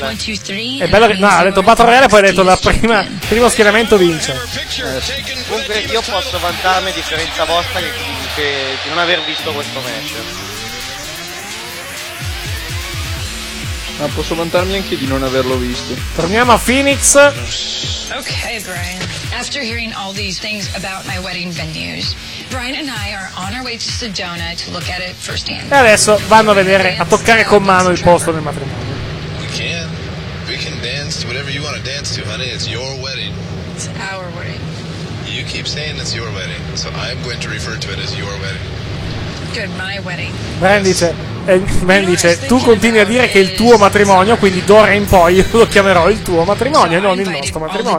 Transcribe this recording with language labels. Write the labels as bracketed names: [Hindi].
[Italian] È bello che, no, ha detto battle royale e poi ha detto la prima, primo schieramento vince. Comunque io posso vantarmi, a differenza vostra, che di non aver visto questo match. Ma posso vantarmi anche di non averlo visto. Torniamo a Phoenix. [English] Okay, Brian. After hearing all these things about my wedding venues, Brian and I are on our way to Sedona to look at it firsthand. [Italian] E adesso vanno a vedere, a toccare con mano il posto del matrimonio. [English] We can. We can dance to whatever you want to dance to, honey. It's your wedding. It's our wedding. You keep saying it's your wedding, so I'm going to refer to it as your wedding. Good, my wedding. [Italian] Brian dice... Man dice, tu continui a dire che è il tuo matrimonio, quindi d'ora in poi io lo chiamerò il tuo matrimonio e non il nostro matrimonio.